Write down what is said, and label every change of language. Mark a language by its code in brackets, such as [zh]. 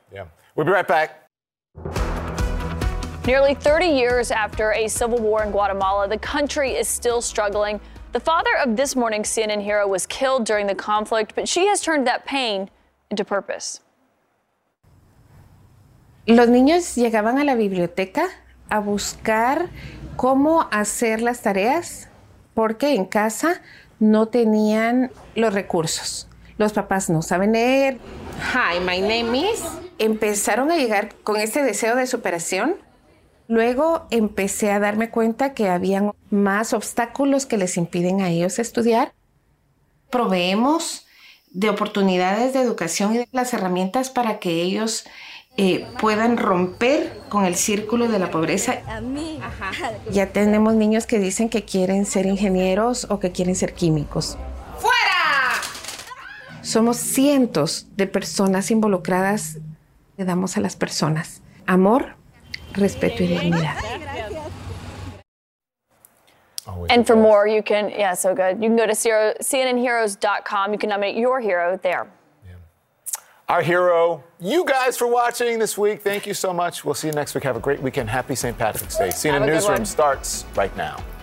[en] Yeah. We'll be right back. Nearly 30 years after a civil war in Guatemala, the country is still struggling. The father of this morning's CNN hero was killed during the conflict, but she has turned that pain into purpose. [es] Los niños llegaban a la biblioteca a buscar cómo hacer las tareas porque en casa no tenían los recursos. Los papás no saben leer. [en] Hi, my name is. [es] Empezaron a llegar con ese deseo de superación. Luego empecé a darme cuenta que habían más obstáculos que les impiden a ellos estudiar. Proveemos de oportunidades de educación y de las herramientas para que ellos puedan romper con el círculo de la pobreza. Ya tenemos niños que dicen que quieren ser ingenieros o que quieren ser químicos. ¡Fuera! Somos cientos de personas involucradas. Le damos a las personas amor, respeto y dignidad. [en] And for more, you can, yeah, so good. You can go to CNNHeroes.com. You can nominate your hero there. Our hero, you guys for watching this week. Thank you so much. We'll see you next week. Have a great weekend. Happy St. Patrick's Day. CNN Newsroom starts right now.